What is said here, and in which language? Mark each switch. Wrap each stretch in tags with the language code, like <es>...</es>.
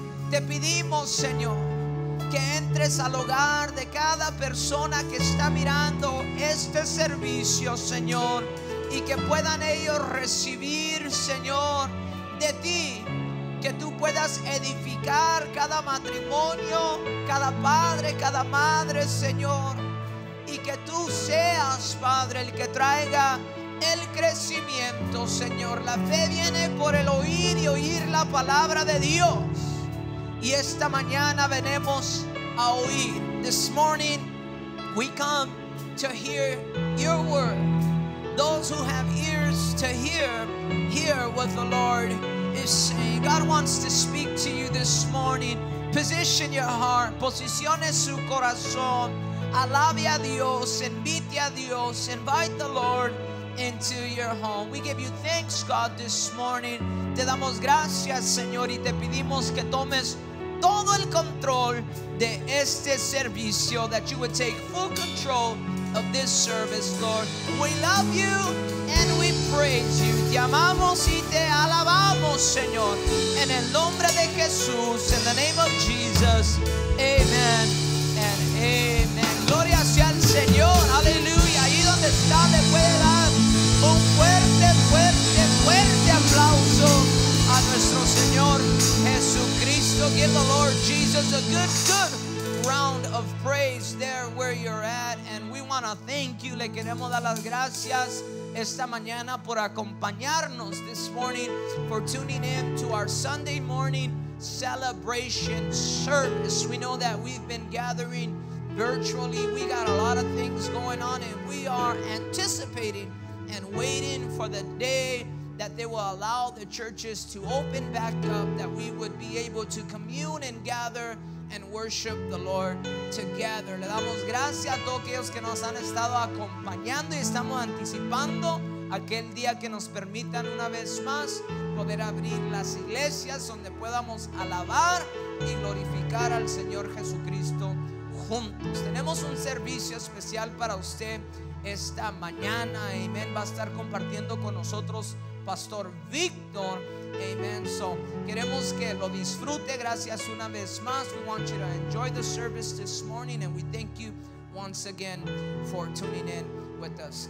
<es>Te pedimos, Señor, que entres al hogar de cada persona que está mirando este servicio, Señor, y que puedan ellos recibir, Señor, de ti, que tú puedas edificar cada matrimonio, cada padre, cada madre, Señor, y que tú seas, Padre, el que traiga el crecimiento, Señor. La fe viene por el oír y oír la palabra de Dios. Y esta mañana venimos a oír.</es> <en>This morning we come to hear your word. Those who have ears to hear, hear what the Lord is saying. God wants to speak to you this morning. Position your heart.</en> <es>Posicione su corazón. Alabe a Dios. Invite a Dios.</es> <en>Invite the Lord into your home. We give you thanks, God, this morning.</en> <es>Te damos gracias, Señor, y te pedimos que tomes todo el control de este servicio,</es> <en>that you would take full control of this service, Lord. We love you and we praise you.</en> <es>Te amamos y te alabamos, Señor, en el nombre de Jesús,</es> <en>in the name of Jesus, amen and amen.</en> <es>Gloria sea al Señor, aleluya. Ahí donde está, le puede dar un fuerte, fuerte, fuerte aplauso a nuestro Señor Jesucristo.</es> <en>Give the Lord Jesus a good, good round of praise there where you're at. And we want to thank you.</en> <es>Le queremos dar las gracias esta mañana por acompañarnos</es> <en>this morning, for tuning in to our Sunday morning celebration service. We know that we've been gathering virtually. We got a lot of things going on, and we are anticipating and waiting for the day that they will allow the churches to open back up, that we would be able to commune and gather and worship the Lord together.</en> <es>Le damos gracias a todos aquellos que nos han estado acompañando y estamos anticipando aquel día que nos permitan una vez más poder abrir las iglesias donde podamos alabar y glorificar al Señor Jesucristo juntos. Tenemos un servicio especial para usted esta mañana. Amén. Va a estar compartiendo con nosotros Pastor Víctor. Amén. So, queremos que lo disfrute. Gracias una vez más.</es> <en>We want you to enjoy the service this morning, and we thank you once again for tuning in with us.</en>